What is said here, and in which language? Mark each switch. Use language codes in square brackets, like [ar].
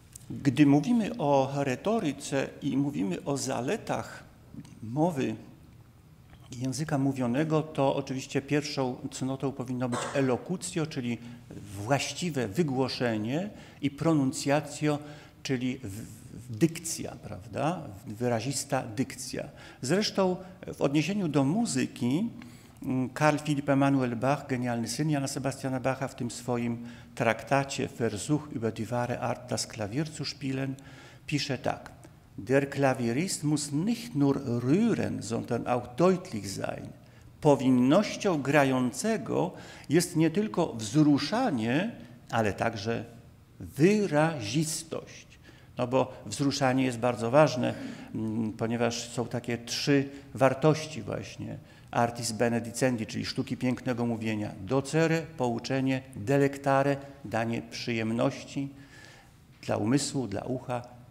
[pl] Gdy mówimy o retoryce i mówimy o zaletach mowy języka mówionego, to oczywiście pierwszą cnotą powinno być elokucjo, czyli właściwe wygłoszenie, i pronuncjacjo, czyli dykcja, prawda? Wyrazista dykcja. Zresztą w odniesieniu do muzyki Karl Philipp Emanuel Bach, genialny syn Jana Sebastiana Bacha, w tym swoim traktacie [de] Versuch über die wahre Art des Klavier zu spielen, [pl] pisze tak: [de] Der Klavierist muss nicht nur rühren, sondern auch deutlich sein. [pl] Powinnością grającego jest nie tylko wzruszanie, ale także wyrazistość. No bo wzruszanie jest bardzo ważne, ponieważ są takie trzy wartości właśnie. Artis benedicendi, czyli sztuki pięknego mówienia. Docere, pouczenie, delectare, danie przyjemności dla umysłu, dla ucha,